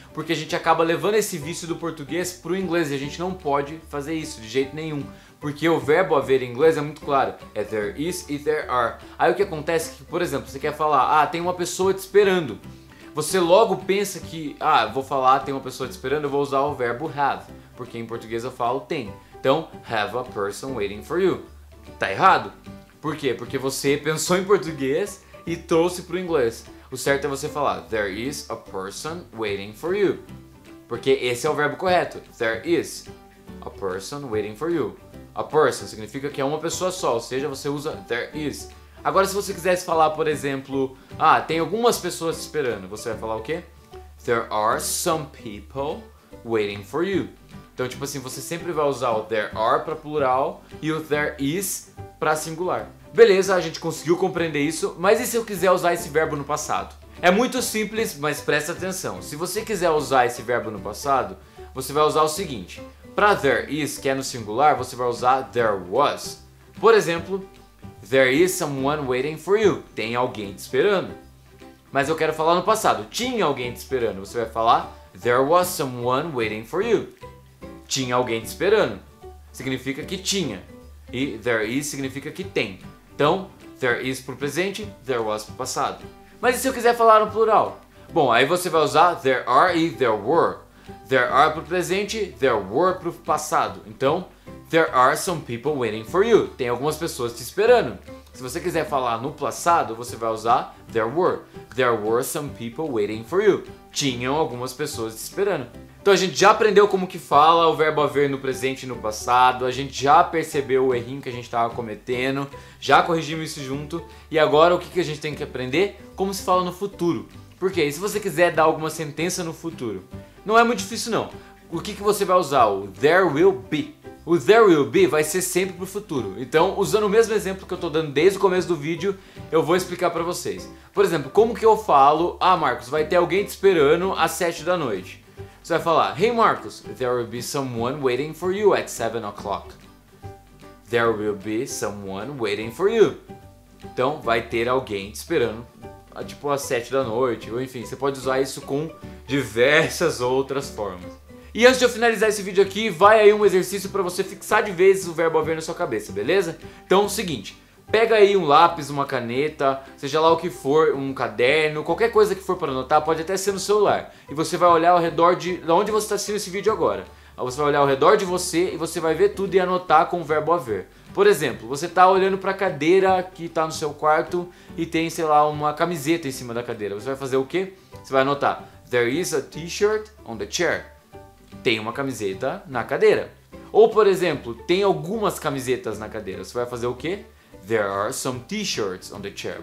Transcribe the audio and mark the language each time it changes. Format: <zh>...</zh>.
<pt>Porque a gente acaba levando esse vício do português pro inglês e a gente não pode fazer isso de jeito nenhum. Porque o verbo haver em inglês é muito claro. É there is e there are. Aí o que acontece é que, por exemplo, você quer falar, tem uma pessoa te esperando. Você logo pensa que, vou falar, tem uma pessoa te esperando, eu vou usar o verbo have. Porque em português eu falo tem. Então,</pt> <en>have a person waiting for you.</en> <pt>Tá errado. Por quê? Porque você pensou em português e trouxe pro inglês. O certo é você falar,</pt> <en>there is a person waiting for you.</en> <pt>Porque esse é o verbo correto.</pt> <en>There is a person waiting for you.</en> <pt>A person significa que é uma pessoa só, ou seja, você usa there is. Agora, se você quisesse falar, por exemplo, tem algumas pessoas esperando, você vai falar o quê?</pt> <en>There are some people waiting for you.</en> <pt>Então, tipo assim, você sempre vai usar o there are para plural e o there is para singular. Beleza, a gente conseguiu compreender isso, mas e se eu quiser usar esse verbo no passado? É muito simples, mas presta atenção. Se você quiser usar esse verbo no passado, você vai usar o seguinte. Para there is, que é no singular, você vai usar there was. Por exemplo,</pt> <en>there is someone waiting for you.</en> <pt>Tem alguém te esperando. Mas eu quero falar no passado. Tinha alguém te esperando. Você vai falar</pt> <en>there was someone waiting for you.</en> <pt>Tinha alguém te esperando. Significa que tinha. E there is significa que tem. Então, there is pro presente, there was pro passado. Mas e se eu quiser falar no plural? Bom, aí você vai usar there are e there were.</pt> <en>There are</en> <pt>pro presente,</pt> <en>there were</en> <pt>pro passado. Então,</pt> <en>there are some people waiting for you.</en> <pt>Tem algumas pessoas te esperando. Se você quiser falar no passado, você vai usar there were.</pt> <en>There were some people waiting for you.</en> <pt>Tinham algumas pessoas te esperando. Então a gente já aprendeu como que fala o verbo haver no presente e no passado. A gente já percebeu o errinho que a gente estava cometendo. Já corrigimos isso junto. E agora o que a gente tem que aprender? Como se fala no futuro. Por quê? E se você quiser dar alguma sentença no futuro? Não é muito difícil não. O que você vai usar? O there will be. O there will be vai ser sempre pro futuro. Então, usando o mesmo exemplo que eu tô dando desde o começo do vídeo, eu vou explicar pra vocês. Por exemplo, como que eu falo, Marcos, vai ter alguém te esperando às 7 da noite. Você vai falar,</pt> <en>hey Marcos, there will be someone waiting for you at 7 o'clock. There will be someone waiting for you.</en> <pt>Então, vai ter alguém te esperando, tipo, às 7 da noite. Ou enfim, você pode usar isso com diversas outras formas. E antes de eu finalizar esse vídeo aqui, vai aí um exercício para você fixar de vez o verbo haver na sua cabeça, beleza? Então é o seguinte, pega aí um lápis, uma caneta, seja lá o que for, um caderno, qualquer coisa que for para anotar, pode até ser no celular. E você vai olhar ao redor de onde você está assistindo esse vídeo agora. Você vai olhar ao redor de você e você vai ver tudo e anotar com o verbo haver. Por exemplo, você está olhando para a cadeira que está no seu quarto e tem, sei lá, uma camiseta em cima da cadeira. Você vai fazer o quê? Você vai anotar,</pt> <en>there is a t-shirt on the chair.</en> <pt>Tem uma camiseta na cadeira. Ou, por exemplo, tem algumas camisetas na cadeira. Você vai fazer o quê?</pt> <en>There are some t-shirts on the chair.</en>